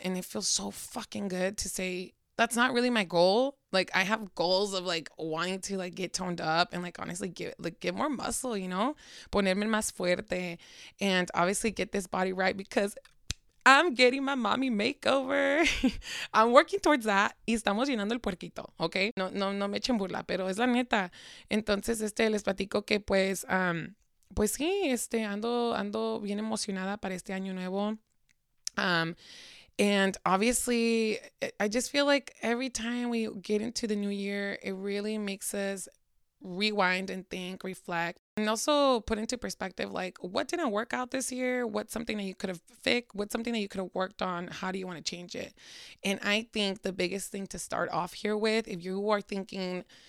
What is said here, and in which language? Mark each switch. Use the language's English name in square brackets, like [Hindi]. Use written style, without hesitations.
[English] And it feels so fucking good to say, that's not really my goal. Like, I have goals of, like, wanting to, like, get toned up and, like, honestly, get more muscle, you know? [Spanish] Ponerme más fuerte. [English] And obviously get this body right because I'm getting my mommy makeover. I'm working towards that. [Spanish] Y estamos llenando el puerquito, [English] okay? [Spanish] No me echen burla, pero es la neta. Entonces, les platico que, pues sí, ando bien emocionada para este año nuevo. [English] And obviously, I just feel like every time we get into the new year, it really makes us rewind and think, reflect, and also put into perspective, like, what didn't work out this year? What's something that you could have fixed? What's something that you could have worked on? How do you want to change it? And I think the biggest thing to start off here with, if you are thinking,